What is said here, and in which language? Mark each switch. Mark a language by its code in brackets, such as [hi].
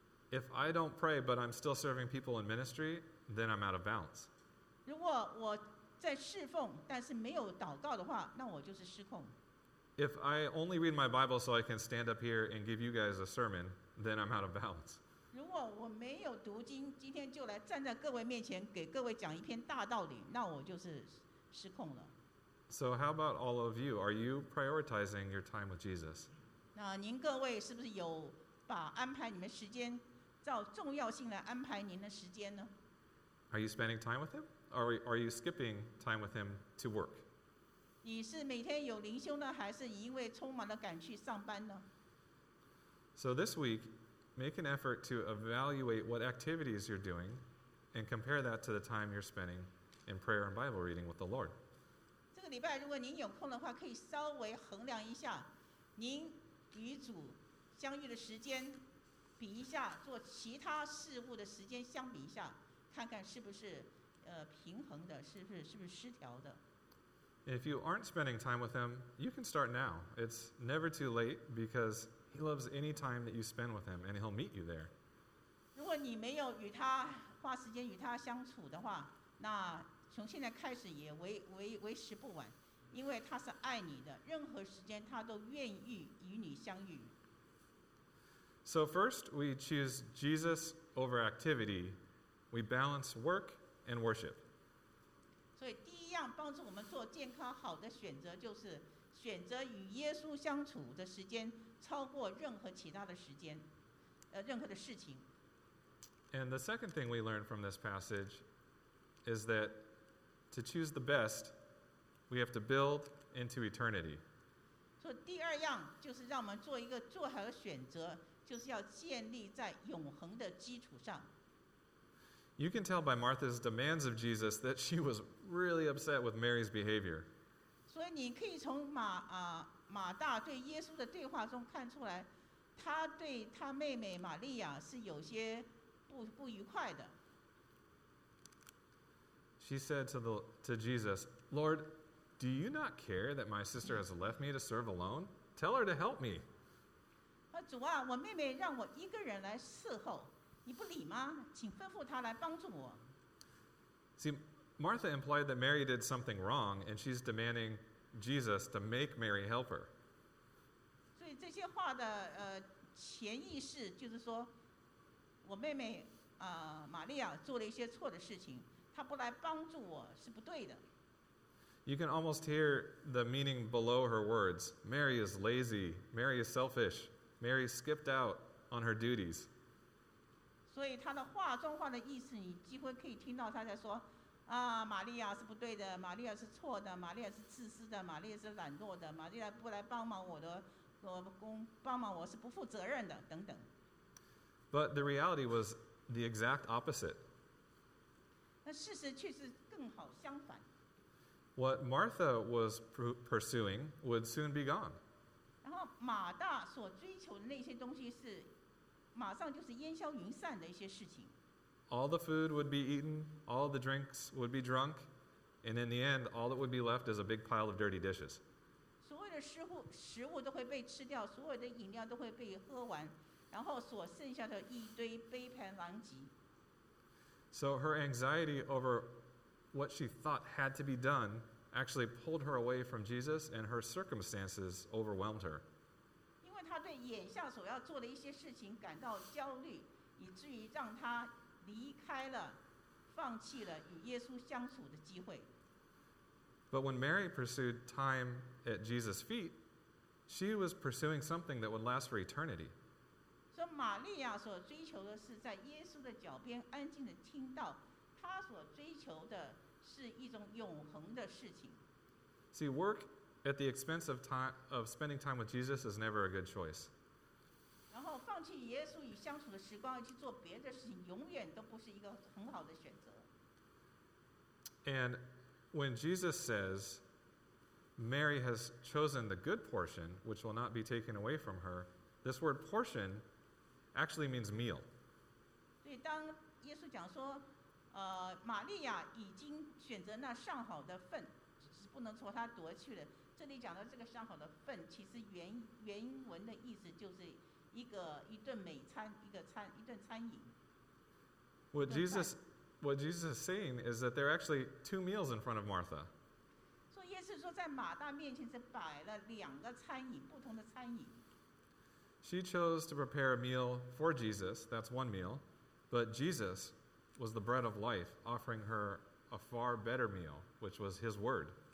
[en] If I don't pray, but I'm still serving people in ministry, then I'm out of balance. [zh] 如果我在侍奉，但是没有祷告的话，那我就是失控。 [en] If I only read my Bible so I can stand up here and give you guys a sermon, then I'm out of balance. [zh] 如果我没有读经，今天就来站在各位面前给各位讲一篇大道理，那我就是失控了。 [en] So how about all of you? Are you prioritizing your time with Jesus? [zh] 那您各位是不是有把安排你们时间照重要性来安排您的时间呢？ [en] Are you spending time with him? Or are you skipping time with him to work? [zh] 你是每天有灵修呢，还是因为匆忙的赶去上班呢？ [en] So this week,Make an effort to evaluate what activities you're doing and compare that to the time you're spending in prayer and Bible reading with the Lord. [zh] 这个礼拜如果您有空的话，可以稍微衡量一下您与主相遇的时间，比一下做其他事物的时间相比一下，看看是不是平衡的，是不是失调的。 [en] If you aren't spending time with him, you can start now. It's never too late because he loves any time that you spend with him and he'll meet you there. [zh] 如果你没有与他花时间与他相处的话，那从现在开始也为时不晚，因为他是爱你的，任何时间他都愿意与你相遇。 [en] So first, we choose Jesus over activity. We balance work and worship. [zh] 所以第一样帮助我们做健康好的选择，就是选择与耶稣相处的时间超过任何其他的时间，任何的事情。 [en] And the second thing we learn from this passage is that to choose the best, we have to build into eternity. [zh] 所以第二样就是让我们做一个做好的选择，就是要建立在永恒的基础上。 [en] You can tell by Martha's demands of Jesus that she was really upset with Mary's behavior. [zh] 所以你可以从马大对耶稣的对话中看出来，他对他妹妹玛利亚是有些不愉快的。 [en] She said to Jesus, Lord, do you not care that my sister has left me to serve alone? Tell her to help me. [zh] 主啊，我妹妹让我一个人来伺候，你不理吗？请吩咐她来帮助我。 [en] See, Martha implied that Mary did something wrong, and she's demanding Jesus to make Mary help her. [zh] 所以这些话的潜意识就是说，我妹妹玛利亚做了一些错的事情，她不来帮助我是不对的。 [en] You can almost hear the meaning below her words. Mary is lazy. Mary is selfish. Mary skipped out on her duties. [zh] 所以她的话中话的意思，你几乎可以听到她在说，啊，玛利亚是不对的，玛利亚是错的，玛利亚是自私的，玛利亚是懒惰的，玛利亚不来帮忙我的，帮忙我是不负责任的，等等。 [en] But the reality was the exact opposite. [zh] 那事实却是更好相反。 [en] What Martha was pursuing would soon be gone. [zh] 然后马大所追求的那些东西是马上就是烟消云散的一些事情。 [en] All the food would be eaten, all the drinks would be drunk, and in the end, all that would be left is a big pile of dirty dishes. [zh] 所有的食物都会被吃掉，所有的饮料都会被喝完，然后所剩下的一堆杯盘狼藉。 [en] So her anxiety over what she thought had to be done actually pulled her away from Jesus, and her circumstances overwhelmed her. [zh] 因为她对眼下所要做的一些事情感到焦虑，以至于让她离开了，放弃了与耶稣相处的机会。 [en] But when Mary pursued time at Jesus' feet, she was pursuing something that would last for eternity. [zh] 所以玛利亚所追求的是在耶稣的脚边安静的听到，她所追求的是一种永恒的事情。 [en] See, work at the expense of spending time with Jesus is never a good choice. [zh] 然后放弃耶稣与相处的时光，去做别的事情，永远都不是一个很好的选择。 [en] And when Jesus says, Mary has chosen the good portion, which will not be taken away from her, this word portion actually means meal. [zh] 对，当耶稣讲说，玛利亚已经选择那上好的份，是不能从她夺去的。这里讲到这个上好的份，其实原文的意思就是一顿美餐，一顿餐饮。 [en] What Jesus is saying is that there are actually two meals in front of Martha. [zh] 所以耶稣说，在马大面前是摆了两个餐饮，不同的餐饮。 [en] She chose to prepare a meal for Jesus. That's one meal, but Jesus was the bread of life, offering her a far better meal, which was His Word.